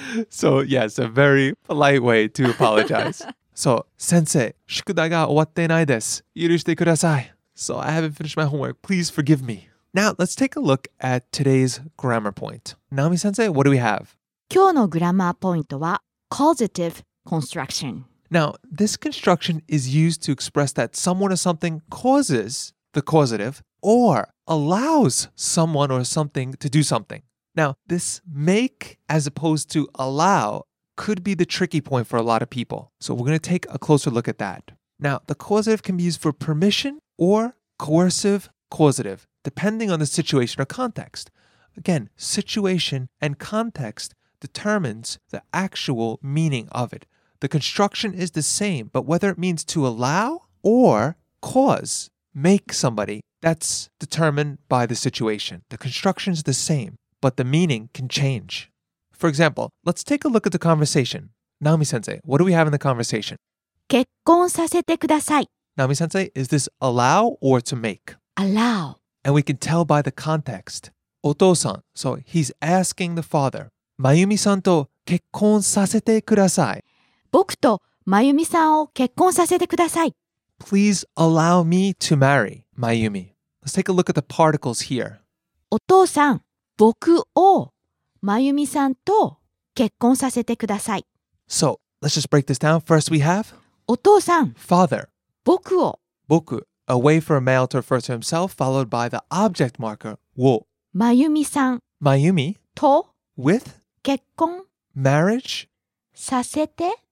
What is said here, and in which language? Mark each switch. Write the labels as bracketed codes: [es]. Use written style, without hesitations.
[en] So yes, a very polite way to apologize. [ja] So, 先生、宿題が終わってないです。許してください. [en] So I haven't finished my homework, please forgive me. Now, let's take a look at today's grammar point. Naomi-sensei, what do we have? [ja] 今日のグラマーポイントは [en] causative construction. Now, this construction is used to express that someone or something causes the causative or allows someone or something to do something. Now, this make as opposed to allow could be the tricky point for a lot of people. So we're going to take a closer look at that. Now, the causative can be used for permission or coercive causative. Depending on the situation or context. Again, situation and context determines the actual meaning of it. The construction is the same, but whether it means to allow or cause, make somebody, that's determined by the situation. The construction is the same, but the meaning can change. For example, let's take a look at the conversation. Naomi-sensei, what do we have in the conversation? [ja] 結婚させてください。 [en] Naomi-sensei, is this allow or to make? Allow. And we can tell by the context. [ja] お父さん, [en] so he's asking the father, [ja] 真由美さんと結婚させてください。僕と真由美さんを結婚させてください。 [en] Please allow me to marry 真由美. Let's take a look at the particles here. [ja] お父さん、僕を Mayumi さんと結婚させてください。 [en] So, let's just break this down. First, we have [ja] お父さん [en] Father [ja] 僕を [en] 僕 A way for a male to refer to himself followed by the object marker を [ja] Mayumi さん [en] Mayumi [ja] と [en] With [ja] 結婚 [en] Marriage [ja] させて